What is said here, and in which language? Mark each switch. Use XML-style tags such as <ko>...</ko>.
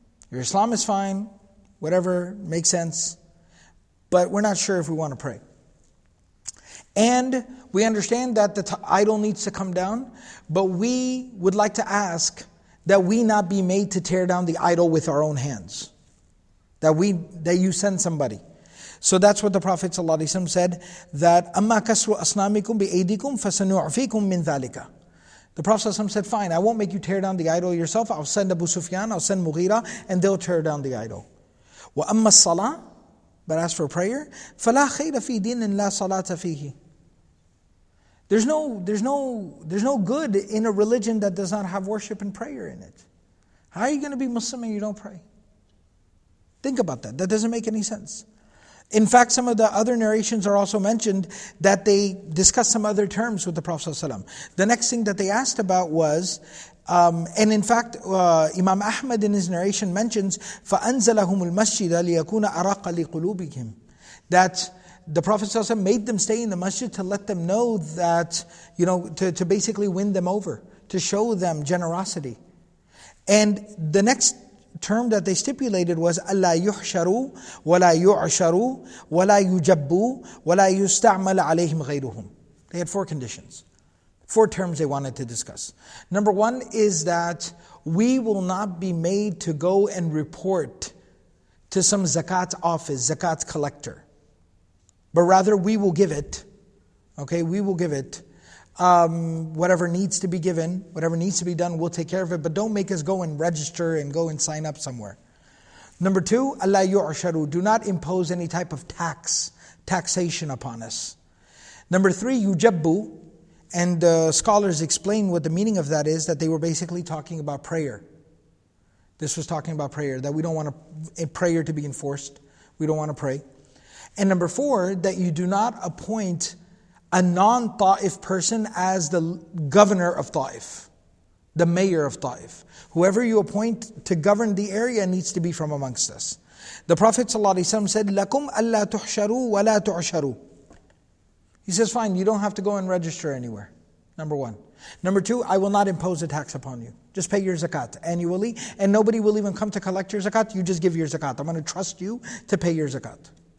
<en>Your Islam is fine, whatever, makes sense, but we're not sure if we want to pray. And we understand that the idol needs to come down, but we would like to ask that we not be made to tear down the idol with our own hands. That you send somebody. So that's what the Prophet ﷺ said, that</en> <ar>أَمَّا كَسْرُ أَصْنَامِكُمْ بِأَيْدِكُمْ فَسَنُعْفِيكُمْ مِنْ ذَلِكَ.</ar> <en>The Prophet ﷺ said, fine, I won't make you tear down the idol yourself, I'll send Abu Sufyan, I'll send Mughira, and they'll tear down the idol.</en> <ar>وَأَمَّا الصَّلَاةِ.</ar> <en>But as for prayer,</en> <ar>فَلَا خَيْرَ فِي دِينٍ لَا صَلَاةَ فِيهِ.</ar> <en>There's no good in a religion that does not have worship and prayer in it. How are you going to be Muslim and you don't pray? Think about that. That doesn't make any sense. In fact, some of the other narrations are also mentioned that they discussed some other terms with the Prophet ﷺ. The next thing that they asked about was, and in fact, Imam Ahmad in his narration mentions,</en> <ar>فَأَنزَلَهُمُ الْمَسْجِدَ لِيَكُونَ أَرَقَ لِقُلُوبِهِمْ,</ar> <en>that the Prophet ﷺ made them stay in the masjid to let them know that, you know, to basically win them over, to show them generosity. And the next term that they stipulated was,</en> <ar>أَلَّا يُحْشَرُوا وَلَا يُعْشَرُوا وَلَا يُجَبُّوا وَلَا يُسْتَعْمَلَ عَلَيْهِمْ غَيْرُهُمْ.</ar> <en>They had four conditions. Four terms they wanted to discuss. Number one is that we will not be made to go and report to some zakat office, zakat collector. But rather we will give it, okay, we will give it. Whatever needs to be given, whatever needs to be done, we'll take care of it. But don't make us go and register and go and sign up somewhere. Number two,</en> <ar>أَلَّا يُعْشَرُوا.</ar> <en>Do not impose any type of taxation upon us. Number three, يُجَبُّوا. And the scholars explain what the meaning of that is, that they were basically talking about prayer. This was talking about prayer, that we don't want a prayer to be enforced. We don't want to pray. And number four, that you do not appoint a non-Ta'if person as the governor of Ta'if, the mayor of Ta'if. Whoever you appoint to govern the area needs to be from amongst us. The Prophet ﷺ said,</en> <ar>لَكُمْ أَلَّا تُحْشَرُوا وَلَا تُعْشَرُوا.</ar> <en>He says, fine, you don't have to go and register anywhere, number one. Number two, I will not impose a tax upon you. Just pay your zakat annually, and nobody will even come to collect your zakat. You just give your zakat. I'm going to trust you to pay your zakat.</en>